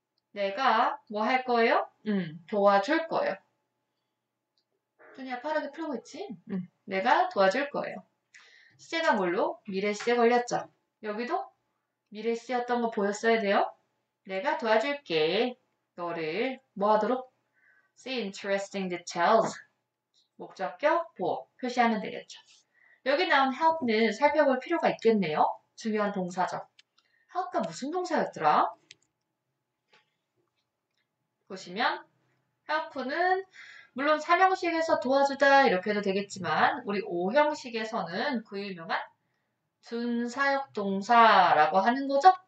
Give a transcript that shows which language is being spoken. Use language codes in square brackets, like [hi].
[ko] 내가 뭐할 거예요? 도와줄 거예요. 눈이야 빠르게 풀고 있지? 내가 도와줄 거예요. 시제가 뭘로? 미래 시제 걸렸죠. 여기도 미래 시제였던 거 보였어야 돼요. 내가 도와줄게. 너를 뭐 하도록? [en] See interesting details. [ko] 목적격, 보어 표시하면 되겠죠. 여기 나온 help는 살펴볼 필요가 있겠네요. 중요한 동사죠. help가 무슨 동사였더라? 보시면 help는 물론 삼형식에서 도와주다 이렇게 해도 되겠지만 우리 오형식에서는 그 유명한 준사역 동사라고 하는 거죠?